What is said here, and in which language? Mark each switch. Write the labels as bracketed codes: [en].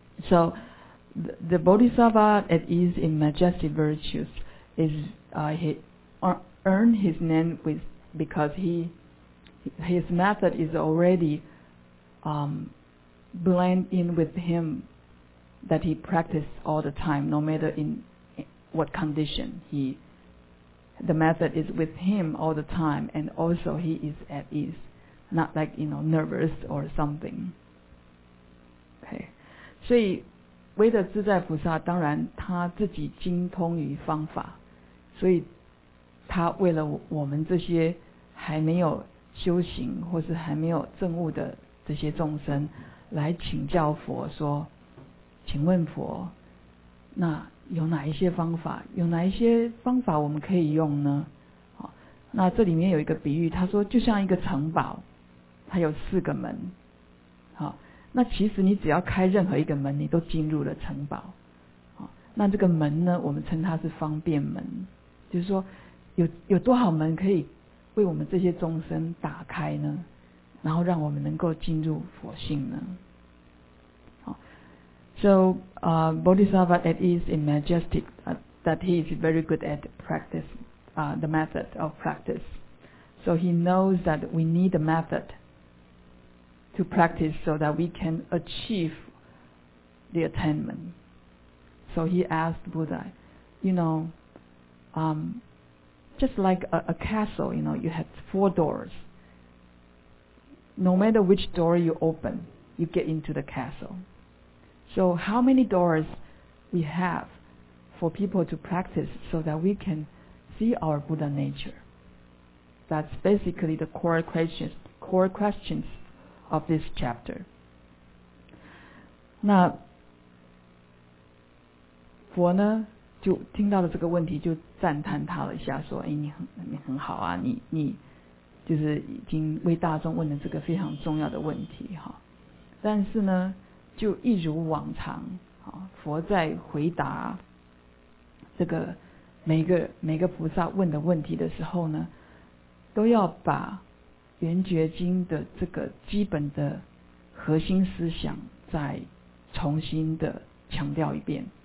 [en] So the Bodhisattva at ease in majestic virtues is earn his name because his method is already blend in with him, that he practice all the time, no matter in what condition. The method is with him all the time, and also he is at ease, not like, you know, nervous or something. Okay. [zh] 所以唯德自在菩萨当然他自己精通于方法，所以他为了我们这些还没有修行或是还没有证悟的这些众生来请教佛，说请问佛，那有哪一些方法，有哪一些方法我们可以用呢？那这里面有一个比喻，他说就像一个城堡，它有四个门。好，那其实你只要开任何一个门，你都进入了城堡。好，那这个门呢，我们称它是方便门，就是说有多少门可以为我们这些众生打开呢？然后让我们能够进入佛性呢？好 [en] ，So Bodhisattva at ease in majestic, that he is very good at practice, the method of practice. So he knows that we need a method to practice so that we can achieve the attainment. So he asked Buddha, you know, just like a castle, you know, you have four doors. No matter which door you open, you get into the castle. So how many doors we have for people to practice so that we can see our Buddha nature? That's basically the core questions of this chapter. [zh] 那佛呢就听到了这个问题，就赞叹他了一下，说：“哎，你很好啊，你就是已经为大众问了这个非常重要的问题哈。” 但是呢，就一如往常，佛在回答这个每个菩萨问的问题的时候呢，都要把《圆觉经》的这个基本的核心思想再重新的强调一遍。